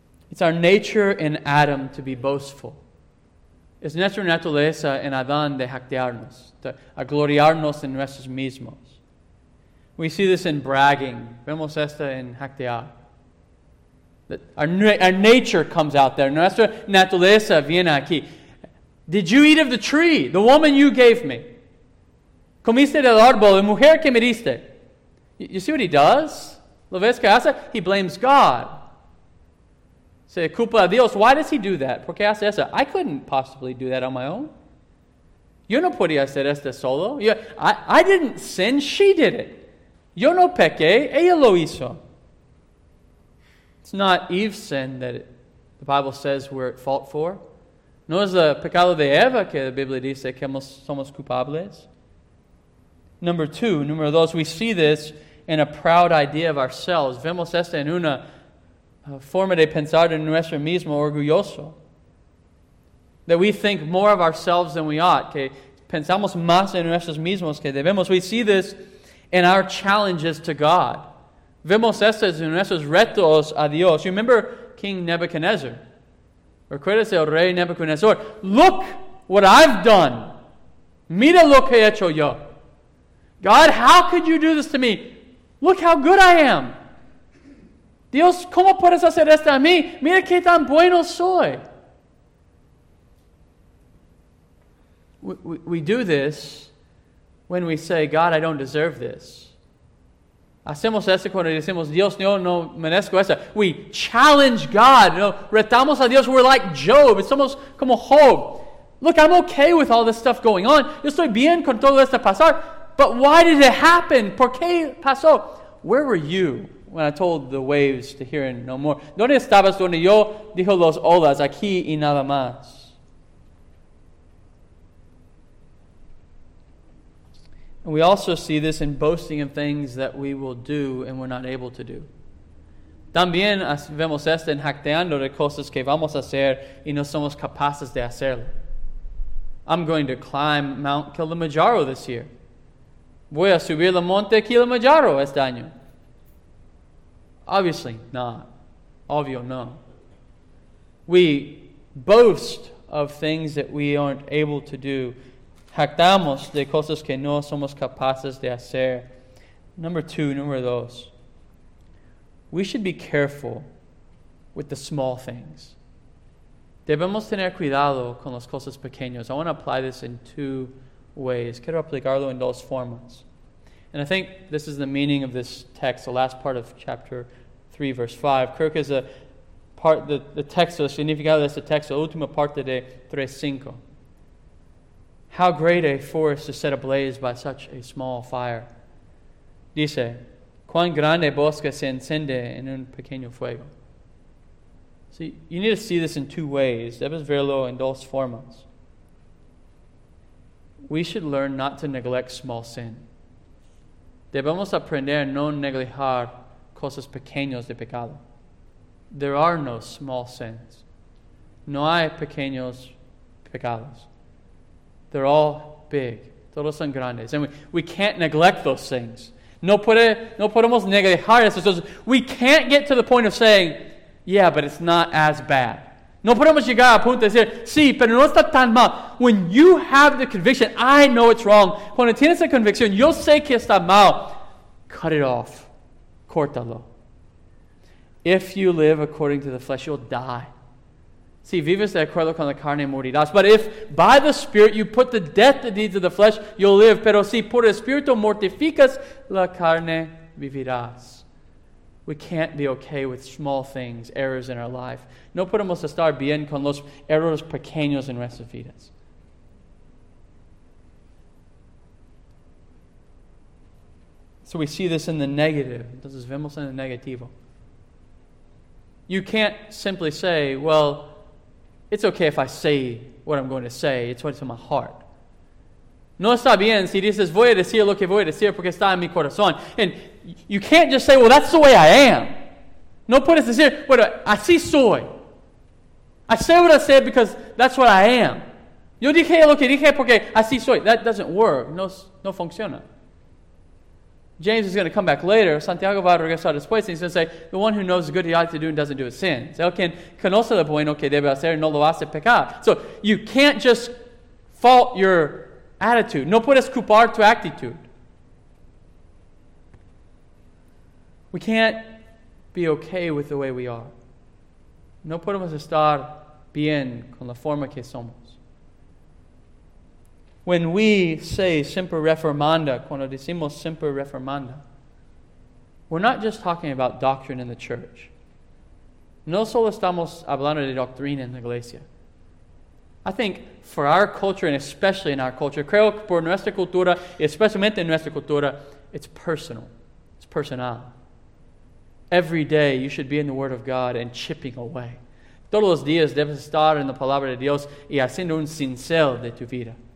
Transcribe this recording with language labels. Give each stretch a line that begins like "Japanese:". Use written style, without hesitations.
English: It's our nature in Adam to be boastful.
Spanish: Es nuestra naturaleza en Adán de jactearnos, de gloriarnos en nosotros mismos.
English: We see this in bragging.
Spanish: Vemos esta en jactear.
English: Our nature comes out there.
Spanish: Nuestra naturaleza viene aquí.
English: Did you eat of the tree, the woman you gave me?
Spanish: Comiste del árbol, la mujer que me diste.
English: You see what he does?
Spanish: ¿Lo ves que hace?
English: He blames God.
Spanish: Se culpa a Dios.
English: Why does he do that?
Spanish: Porque hace eso.
English: I couldn't possibly do that on my own.
Spanish: Yo no podía hacer esto solo.
English: I didn't sin. She did it.
Spanish: Yo no pequé. Ella lo hizo.
English: It's not Eve's sin that the Bible says we're at fault for.
Spanish: No es el pecado de Eva que la Biblia dice que somos culpables. Número dos,
English: we see this in a proud idea of ourselves.
Spanish: Vemos esto en una forma de pensar en nuestro mismo orgulloso.
English: That we think more of ourselves than we ought.
Spanish: Que pensamos más en nuestros mismos que debemos.
English: We see this in our challenges to God.
Spanish: Vemos estos en nuestros retos a Dios.
English: You remember King Nebuchadnezzar.
Spanish: Recuerda el rey Nebuchadnezzar.
English: Look what I've done.
Spanish: Mira lo que he hecho yo.
English: God, how could you do this to me? Look how good I am.
Spanish: Dios, ¿cómo puedes hacer esto a mí? Mira qué tan bueno soy.
English: We do this when we say, God, I don't deserve this.
Spanish: Hacemos esto cuando decimos, Dios, yo no merezco esto.
English: We challenge God.
Spanish: No, retamos a Dios.
English: We're like Job.
Spanish: Somos como Job.
English: Look, I'm okay with all this stuff going on.
Spanish: Yo estoy bien con todo esto pasar.
English: But why did it happen?
Spanish: ¿Por qué pasó?
English: Where were you when I told the waves to hear and no more?
Spanish: ¿Dónde estabas donde yo dijo los olas? Aquí y nada más.
English: And we also see this in boasting of things that we will do and we're not able to do.
Spanish: También vemos esto en jacteando de cosas que vamos a hacer y no somos capaces de hacerlo.
English: I'm going to climb Mount Kilimanjaro this year.
Spanish: Voy a subir el monte Kilimanjaro este año.
English: Obviously not.
Spanish: Obvio no.
English: We boast of things that we aren't able to do.
Spanish: Jactamos de cosas que no somos capaces de hacer. Número dos.
English: We should be careful with the small things.
Spanish: Debemos tener cuidado con las cosas pequeñas.
English: I want to apply this in two ways.
Spanish: Quiero aplicarlo en dos formas.
English: And I think this is the meaning of this text, the last part of chapter 3, verse 5.
Spanish: Creo que es
English: a part, the text,
Spanish: el significado de este texto, la última parte de 3:5.
English: How great a forest is set ablaze by such a small fire.
Spanish: Dice, ¿cuán grande bosque se enciende en un pequeño fuego?
English: See, you need to see this in two ways.
Spanish: Debes verlo en dos formas.
English: We should learn not to neglect small sin.
Spanish: Debemos aprender no negligir cosas pequeñas de pecado.
English: There are no small sins.
Spanish: No hay pequeños pecados.
English: They're all big.
Spanish: Todos son grandes.
English: And we can't neglect those things.
Spanish: No podemos negar esas cosas.
English: We can't get to the point of saying, yeah, but it's not as bad.
Spanish: No podemos llegar a punto de decir, sí, pero no está tan mal.
English: When you have the conviction, I know it's wrong.
Spanish: Cuando tienes la convicción, yo sé que está mal.
English: Cut it off.
Spanish: Córtalo.
English: If you live according to the flesh, you'll die.
Spanish: Si vives de acuerdo con la carne, morirás.
English: But if by the Spirit you put to death the deeds of the flesh, you'll live.
Spanish: Pero si por el Espíritu mortificas la carne, vivirás.
English: We can't be okay with small things, errors in our life.
Spanish: No podemos estar bien con los errores pequeños en nuestras vidas.
English: It's So we see this in the negative.
Spanish: Entonces vemos en el negativo.
English: You can't simply say, well, it's okay if I say what I'm going to say. It's what's in my heart.
Spanish: No está bien si dices, voy a decir lo que voy a decir porque está en mi corazón.
English: And you can't just say, well, that's the way I am.
Spanish: No puedes decir, bueno, así soy.
English: I say what I said because that's what I am.
Spanish: Yo dije lo que dije porque así soy.
English: That doesn't work.
Spanish: No funciona.
English: James is going to come back later.
Spanish: Santiago va a regresar después.
English: And he's going to say, the one who knows the good he ought to do and doesn't do a sin.
Spanish: El que conoce lo bueno que debe hacer no lo hace pecar.
English: So you can't just fault your attitude.
Spanish: No puedes culpar tu actitud.
English: We can't be okay with the way we are.
Spanish: No podemos estar bien con la forma que somos.
English: When we say semper reformanda,
Spanish: cuando decimos semper reformanda,
English: we're not just talking about doctrine in the church.
Spanish: No solo estamos hablando de doctrina en la iglesia.
English: I think for our culture, and especially in our culture,
Spanish: creo que por nuestra cultura,
English: especialmente en nuestra cultura, it's personal. It's personal. Every day you should be in the Word of God and chipping away.
Spanish: Todos los días debes estar en la palabra de Dios y haciendo un cincel de tu vida.